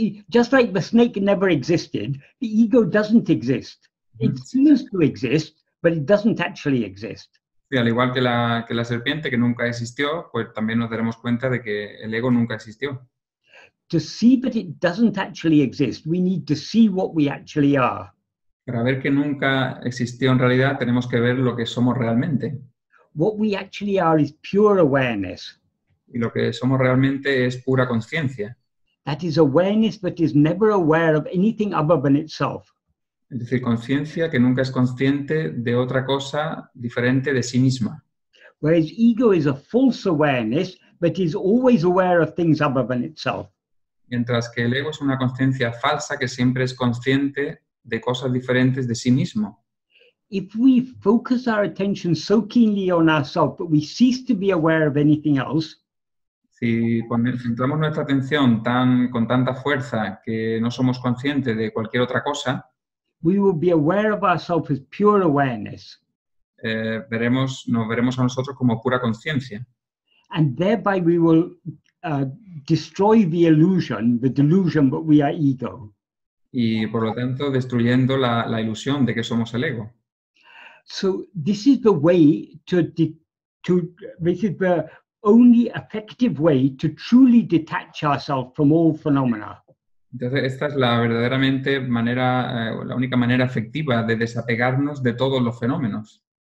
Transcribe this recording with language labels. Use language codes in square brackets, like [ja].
[en] Just like the snake never existed, the ego doesn't exist. It seems to exist, but it doesn't actually exist. [es] Sí, al igual que la serpiente que nunca existió, pues también nos daremos cuenta de que el ego nunca existió. [en] To see that it doesn't actually exist, we need to see what we actually are. [es] Para ver que nunca existió en realidad, tenemos que ver lo que somos realmente. [en] What we actually are is pure awareness. [es] Y lo que somos realmente es pura conciencia. [en] That is awareness that is never aware of anything other than itself. [es] Es decir, conciencia que nunca es consciente de otra cosa diferente de sí misma. [en] Whereas ego is a false awareness, but is always aware of things other than itself. [es] Mientras que el ego es una conciencia falsa que siempre es consciente de cosas diferentes de sí mismo. [en] If we focus our attention so keenly on ourselves that we cease to be aware of anything else, [es] si centramos nuestra atención con tanta fuerza que no somos conscientes de cualquier otra cosa, [en] we will be aware of ourselves as pure awareness. [es] Nos veremos a nosotros como pura conciencia. [en] And thereby we will destroy the delusion that we are ego. [es] Y por lo tanto destruyendo la ilusión de que somos el ego. [en] So this is the way to this is the only effective way to truly detach ourselves from all phenomena. [es] Entonces, esta es la verdaderamente manera, la única manera efectiva de desapegarnos de todos los fenómenos.